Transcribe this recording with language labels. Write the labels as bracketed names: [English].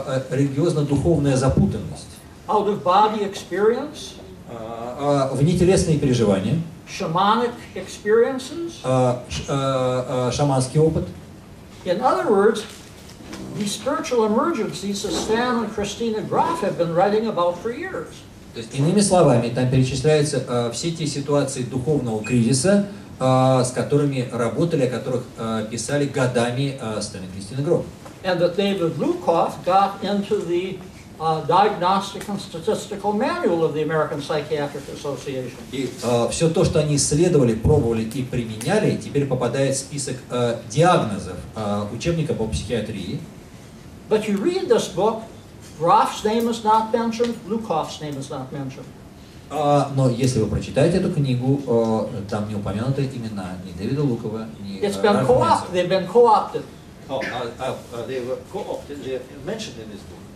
[Russian] Религиозно-духовная запутанность. [English] Out of body experience. [Russian] Внетелесные переживания. [English] Shamanic experiences. [Russian] Шаманский опыт. [English] In other words, the spiritual emergencies that Stan and Christina Graf have been writing about for years. [Russian] То есть, иными словами, там перечисляются все те ситуации духовного кризиса, с которыми работали, о которых писали годами Стэн и Кристина Гроф. [English] And that David Lukoff got into the Diagnostic and Statistical Manual of the American Psychiatric Association. [Russian] И все то, что они исследовали, пробовали и применяли, теперь попадает в список диагнозов учебника по психиатрии. [English] But you read this book, Graf's name is not mentioned, Lukoff's name is not mentioned. [Russian] Но если вы прочитаете эту книгу, там не упомянуты имена ни Дэвида Лукова, ни [English] It's been co-opted, they've been co-opted. Oh, they were co-opted, they're mentioned in this book.